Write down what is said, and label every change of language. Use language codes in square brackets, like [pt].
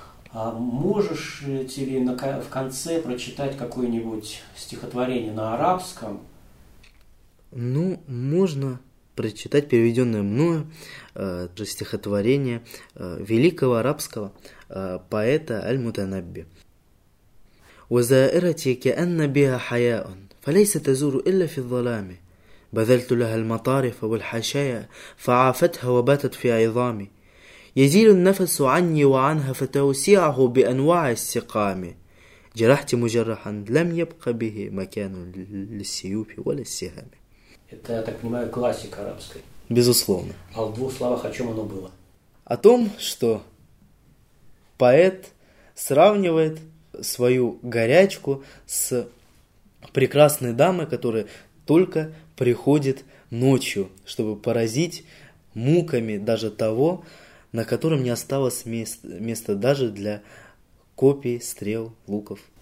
[ru] А можешь тебе в конце прочитать какое-нибудь стихотворение на арабском? Ну, можно прочитать переведенное мною стихотворение великого арабского поэта Аль-Мутанабби. [ar] وزائرتي كأن بها حياء فليس تزور إلا في الظلام بذلت لها المطارف والحشايا فعافتها وباتت في عظامي يزيل النفس عني وعنها فتوسيعه بأنواع السقام جرحت مجرحا لم يبق به مكان للسيوف ولا السهام. [ru] Это, я так понимаю, классика арабской. Безусловно. А в двух словах о чем оно было? О том, что поэт сравнивает свою горячку с прекрасной дамой, которая только приходит ночью, чтобы поразить муками даже того, на котором не осталось места даже для копий, стрел, луков.